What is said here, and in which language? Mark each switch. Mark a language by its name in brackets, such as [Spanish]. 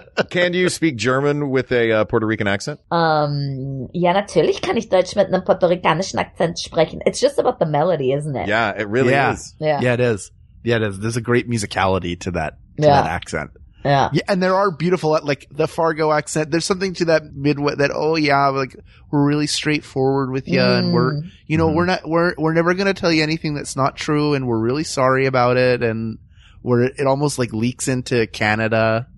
[English] Can you speak German with a Puerto Rican accent? [German] Ja, natürlich kann ich Deutsch mit einem Puerto Ricanischen Akzent sprechen. [English] It's just about the melody, isn't it? Yeah, it really is. Yeah, it is. There's a great musicality to that that accent. Yeah. Yeah, and there are beautiful, like the Fargo accent. There's something to that Midwest that, like we're really straightforward with you, and we're, you know, we're never going to tell you anything that's not true, and we're really sorry about it, and where it almost like leaks into Canada.